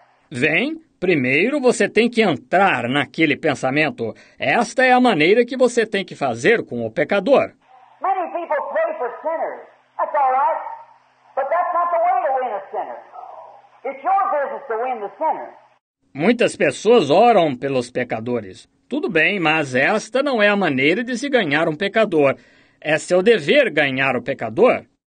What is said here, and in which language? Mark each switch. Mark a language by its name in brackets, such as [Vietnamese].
[Portuguese] Vem, primeiro você tem que entrar naquele pensamento. Esta é a maneira que você tem que fazer com o pecador. [English] Many people pray for sinners. That's all right. But that's not the way to win a sinner. It's your business to win the sinner. [Portuguese] Muitas pessoas oram pelos pecadores. Tudo bem, mas esta não é a maneira de se ganhar um pecador. É seu dever ganhar o pecador.